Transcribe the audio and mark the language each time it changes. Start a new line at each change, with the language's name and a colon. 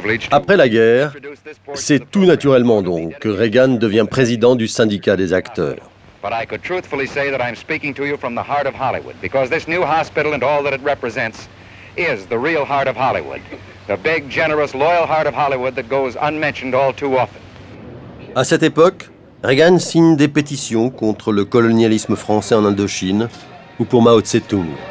French: Après la guerre, c'est tout naturellement donc que Reagan devient président du syndicat des acteurs.
English: But I could truthfully say that I'm speaking to you from the heart of Hollywood, because this new hospital and all that it represents is the real heart of Hollywood, the big, generous, loyal heart of Hollywood that goes unmentioned all too often.
French: À cette époque, Reagan signe des pétitions contre le colonialisme français en Indochine ou pour Mao Tse-tung.